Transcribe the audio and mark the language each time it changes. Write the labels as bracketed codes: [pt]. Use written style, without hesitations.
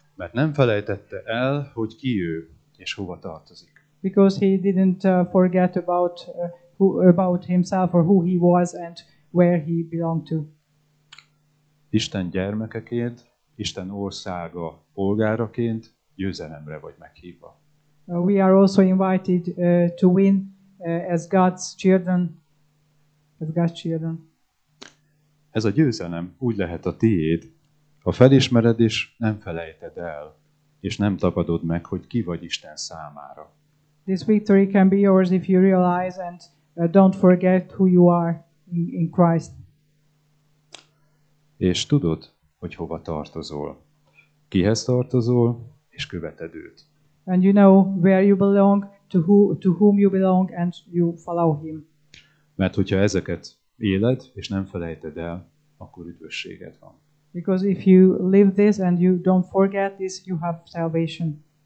[hu] Mert nem felejtette el, hogy ki ő és hova tartozik. [en] Because he didn't forget about himself or who he was and where he belonged to. [hu] Isten gyermekeként, Isten országa polgáraként győzelemre vagy meghívva. [en] We are also invited to win as God's children. [hu] Ez a győzelem úgy lehet a tiéd, Ha felismered is, nem felejted el, és nem tapadod meg, hogy ki vagy Isten számára. [en] This victory can be yours if you realize and don't forget who you are in Christ. [hu] És tudod, hogy hova tartozol. Kihez tartozol, és követed őt. [en] And you know where you belong, to whom you belong, and you follow him. [hu] Mert hogyha ezeket éled, és nem felejted el, akkor üdvösséged van. [en] Because if you live this and you don't forget this, you have salvation.